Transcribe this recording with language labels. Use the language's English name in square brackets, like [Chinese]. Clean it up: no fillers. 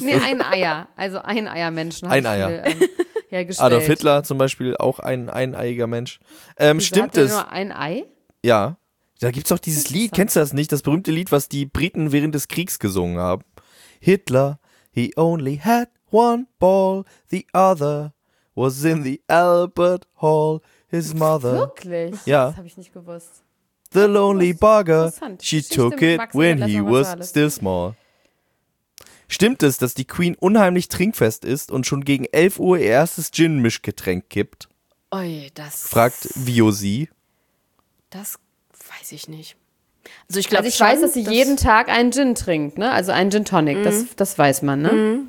[German] Nee, ein Eier, also ein Eier-Menschen. Ein Eier. Viele, hergestellt. Adolf Hitler zum Beispiel, auch ein eineiiger Mensch. Stimmt es? Nur ein Ei? Ja, da gibt's auch dieses Lied, kennst du das nicht? Das berühmte Lied, was die Briten während des Kriegs gesungen haben. [English] Hitler, he only had one ball, the other was in the Albert Hall. His mother. [German] Wirklich? Ja. Das habe ich nicht gewusst. [English] The lonely bugger, she took it when he was still small. [German] Stimmt es, dass die Queen unheimlich trinkfest ist und schon gegen 11 Uhr ihr erstes Gin-Mischgetränk kippt? Oi, das... Fragt Viosi. Das weiß ich nicht. Also ich glaube, also ich weiß, dass sie jeden Tag einen Gin trinkt, ne? Also einen Gin Tonic, das weiß man, ne?